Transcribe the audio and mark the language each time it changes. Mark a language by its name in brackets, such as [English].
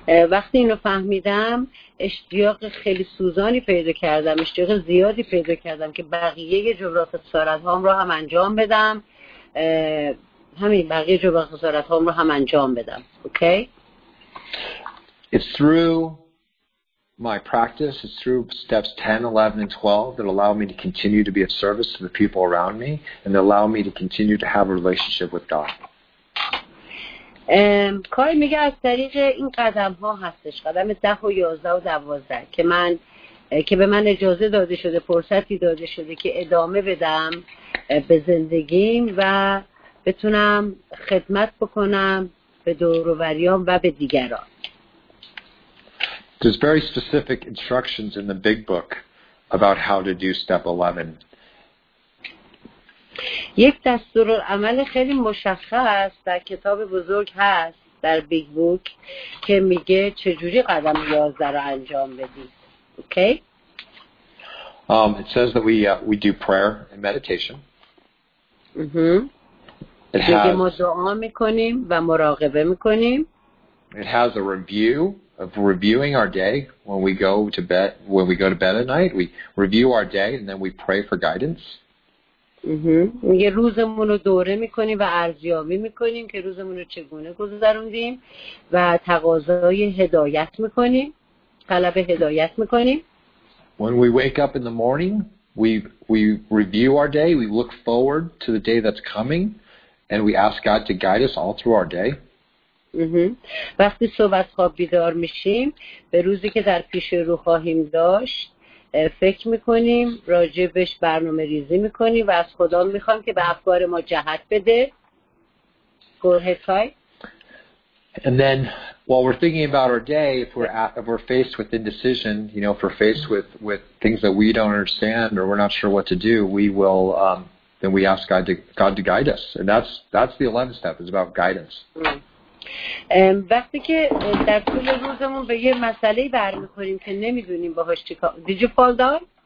[Persian] وقتی اینو فهمیدم اشتیاق خیلی سوزانی پیدا کردم اشتیاق زیادی پیدا کردم که بقیه جبران خسارت هام رو هم انجام بدم همین بقیه جبران خسارت هام رو هم انجام بدم اوکی [English] It's through my practice it's through steps 10 11 and 12 that allow me to continue to be of service to the people around me and allow me to continue to have a relationship with God [Persian] کاری میگه از طریق این قدم ها هستش قدم 10 و 11 و 12 که من که به من اجازه داده شده فرصتی داده شده که ادامه بدم به زندگیم و بتونم خدمت بکنم به دور و بریام و به دیگران [English] There's very specific instructions in the big book about how to do step 11 [Persian] یک دستور عمل خیلی مشخص در کتاب بزرگ هست در بیگ بوک که میگه چجوری قدم 11 رو انجام بدید. اوکی؟ [English] It says that we do prayer and meditation. [Persian] ما دعا میکنیم و مراقبه میکنیم. [English] It has a review of reviewing our day when we go to bed at night. We review our day and then we pray for guidance. [Persian] یه روزمون رو دوره میکنیم و ارزیابی میکنیم که روزمون رو چگونه گذروندیم و تقاضای هدایت میکنیم طلب هدایت میکنیم [English] When we wake up in the morning we review our day we look forward to the day that's coming and we ask God to guide us all through our day [Persian] وقتی صبح از خواب بیدار میشیم به روزی که در پیش رو خواهیم داشت فکر میکنیم راجع بهش برنامه ریزی میکنیم و از خدا میخوام که به افکار ما جهت بده گرهتای [English] and then while we're thinking about our day if we're faced with indecision you know if we're faced with things that we don't understand or we're not sure what to do we will then we ask God to guide us and that's the 11th step is about guidance [Persian] وقتی که در طول روزمون به یه مسئله برمی‌خوریم که نمی‌دونیم باهاش چی کار [English] Did you fall down?